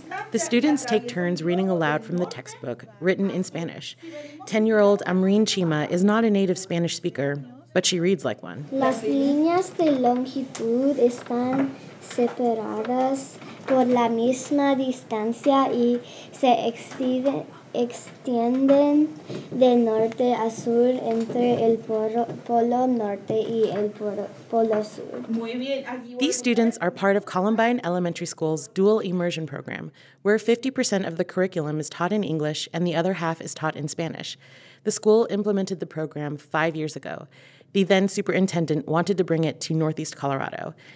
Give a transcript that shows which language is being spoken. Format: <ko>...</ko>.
<en>The students take turns reading aloud from the textbook, written in Spanish. 10-year-old Amreen Chima is not a native Spanish speaker, but she reads like one.</en> <es>Las líneas de longitud están separadas por la misma distancia y se extienden de norte a sur entre el polo norte y el polo sur.</es> <en>These students are part of Columbine Elementary School's dual immersion program, where 50% of the curriculum is taught in English and the other half is taught in Spanish. The school implemented the program 5 years ago. The then superintendent wanted to bring it to Northeast Colorado.</en>